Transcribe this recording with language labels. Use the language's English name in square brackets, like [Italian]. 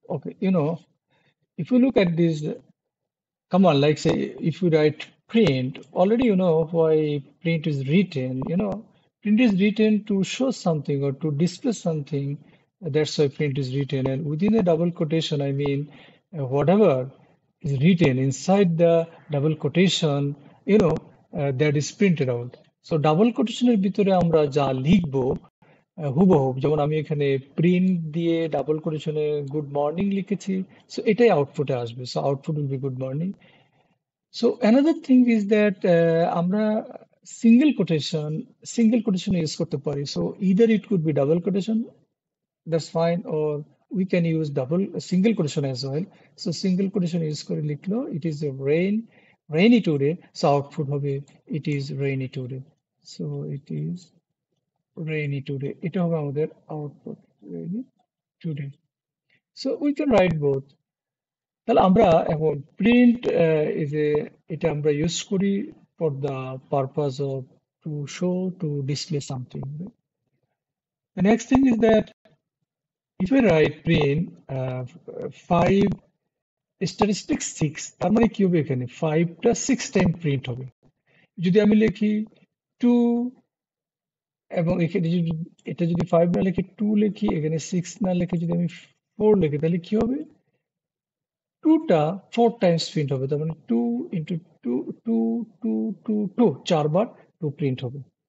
[English] Okay, if you look at this, come on, like say, if you write print, already you know why print is written. Print is written to show something or to display something. That's why print is written. And within a double quotation, I mean, whatever is written inside the double quotation, that is printed out. [Bangla] So double quotation er bhitore amra ja likhbo, হুবহু যেমন আমি এখানে print দিয়ে double কোটেশনে good morning লিখেছি, so এটাই আউটপুটে আসবে, [English] So output will be good morning. So another thing is that [Bangla] আমরা সিঙ্গেল কোটেশন ইউজ করতে পারি, [English] So either it could be double quotation, that's fine, or we can use double single quotation as well. [Bangla] So single quotation use করে লিখলো [English] it is rainy today, so output হবে it is rainy today, so it is rainy today, [Bangla] এটা হবে আমাদের output [English] rainy today. So we can write both. [Bangla] তাহলে আমরা এখন [English] print is a এটা আমরা use করি for the purpose of to show to display something. The next thing is that if we write print 5 statistics 6, [Bangla] তার মানে কি হবে এখানে 5 টা 6 টাইম print হবে। যদি আমি লিখি 2 এবং এখানে যদি এটা যদি 5 না লিখে 2 লিখি, এখানে 6 না লিখে যদি আমি 4 লিখি, তাহলে কি হবে 2টা 4 টাইমস প্রিন্ট হবে, তার মানে 2 × 2 × 2 × 2 × 2 চারবার 2 প্রিন্ট হবে।